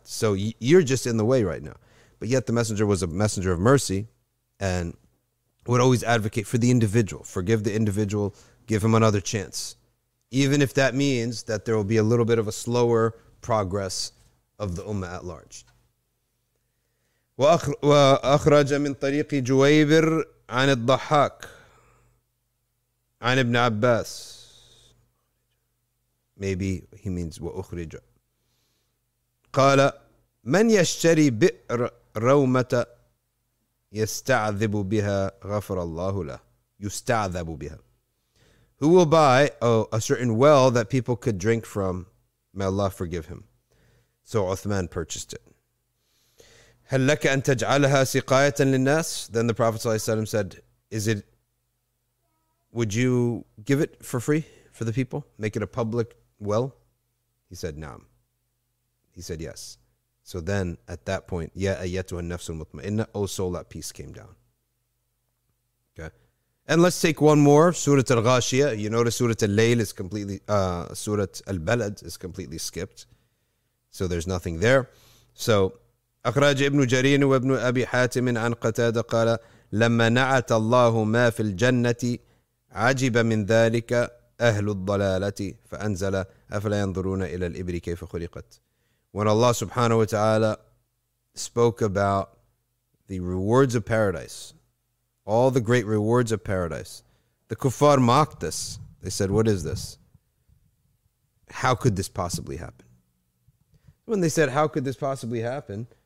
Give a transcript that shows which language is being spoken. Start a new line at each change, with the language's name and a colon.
English: So you're just in the way right now. But yet the messenger was a messenger of mercy and would always advocate for the individual. Forgive the individual. Give him another chance. Even if that means that there will be a little bit of a slower progress of the ummah at large.
Arabic: وأخرج من طريق جويبر عن الضحاك عن ابن عباس.
English: Maybe he means وأخرج.
Arabic: قال من يشتري بئر رومة يستعذب بها غفر الله له يستعذب بها.
English: Who will buy a certain well that people could drink from, may Allah forgive him. So Uthman purchased it.
Arabic: هل لك أن تجعلها سقاية للناس?
English: Then the Prophet ﷺ said, "Is it? Would you give it for free for the people? Make it a public well?" He said, "Nam." He said, "Yes." So then, at that point,
Arabic: يا أيتها النفس المطمئنة,
English: O soul, that peace came down. Okay, and let's take one more Surah Al-Ghashiyah. You notice Surah Al-Layl is completely Surah Al-Balad is completely skipped. So there's nothing there.
Arabic: So, أخرج ابن جرير وابن أبي حاتم عن قتادة قال لما نعت الله ما في الجنة عجب من ذلك أهل الضلالة فأنزل أفلا ينظرون إلى الإبر كيف خلقت.
English: When Allah subhanahu wa ta'ala spoke about the rewards of paradise, all the great rewards of paradise, the kuffar mocked this. They said, what is this? How could this possibly happen? When they said, how could this possibly happen?